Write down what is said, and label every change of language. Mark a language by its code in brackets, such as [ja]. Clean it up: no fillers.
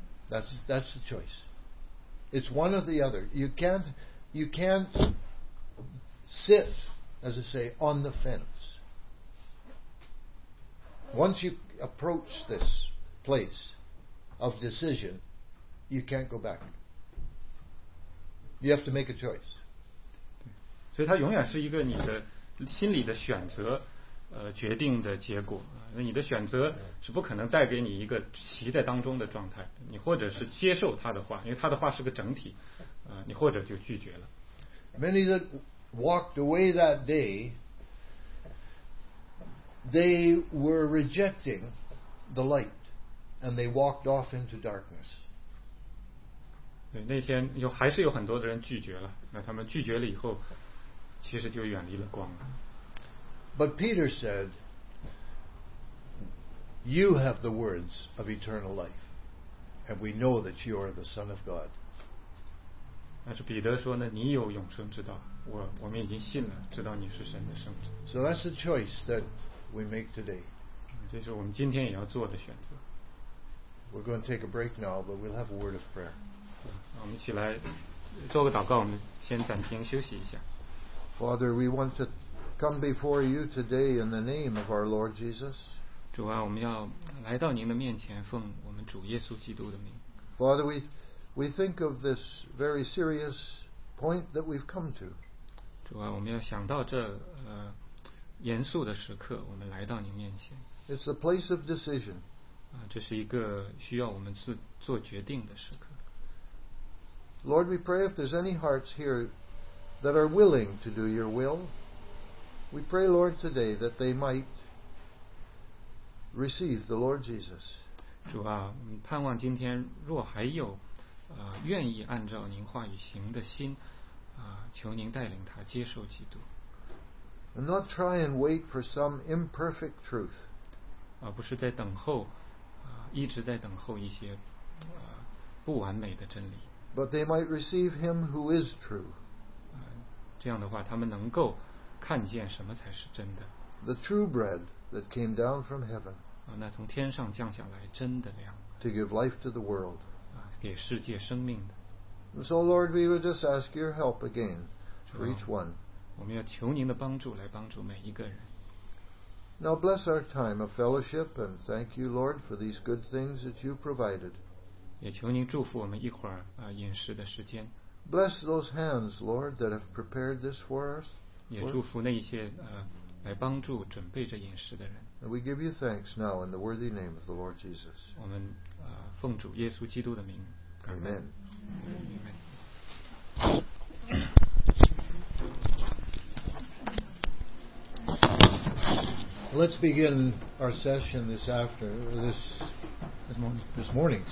[en] That's the choice. It's one or the other. You can't sit as I say, on the fence. Once you approach this place of decision, you can't go back. You have to make a choice. [zh] 所以它永远是一个你的心理的选择决定的结果，那你的选择是不可能带给你一个骑在当中的状态，你或者是接受他的话，因为他的话是个整体，你或者就拒绝了。 [en] Many that walked away that day, they were rejecting the light and they walked off into darkness. [zh] 对，那天有还是有很多的人拒绝了，那他们拒绝了以后其实就远离了光了。 [en] But Peter said, "You have the words of eternal life, and we know that you are the Son of God." [zh] 但是彼得说呢，你有永生之道，我们已经信了，知道你是神的圣者。 [en] So that's the choice that we make today. [zh] 这是我们今天也要做的选择。 [en] We're going to take a break now, but we'll have a word of prayer. [zh] 我们一起来做个祷告，我们先暂停休息一下。 [en] Father, we want to come before you today in the name of our Lord Jesus. [zh] 主啊，我们要来到您的面前，奉我们主耶稣基督的名。 [en] Father, we think of this very serious point that we've come to. [zh] 主啊，我们要想到这严肃的时刻，我们来到您面前。 [en] It's the place of decision. [zh] 这是一个需要我们做决定的时刻。 [en] Lord, we pray if there's any hearts here that are willing to do your will, we pray, Lord, today that they might receive the Lord Jesus. [zh] 主啊，盼望今天若还有愿意按照您话语行的心求您带领他接受基督。 [en] And not try and wait for some imperfect truth. [zh] 不是在等候一直在等候一些不完美的真理。 [en] But they might receive him who is true. [zh] 这样的话他们能够看见什么才是真的。 [en] The true bread that came down from heaven. [zh] 那从天上降下来真的粮。 [en] To give life to the world. [zh] 给世界生命的。 [en] So Lord, we would just ask your help again for each one. [zh] 我们要求您的帮助来帮助每一个人。 [en] Now bless our time of fellowship and thank you, Lord, for these good things that you provided. [zh] 也求您祝福我们一会儿饮食的时间。 [en] Bless those hands, Lord, that have prepared this for us. [zh] 也祝福那些来帮助准备着饮食的人。 [en] And we give you thanks now in the worthy name of the Lord Jesus. [zh] 我们奉主耶稣基督的名。 [en] Amen. Amen. Amen. 、Let's begin our session this morning.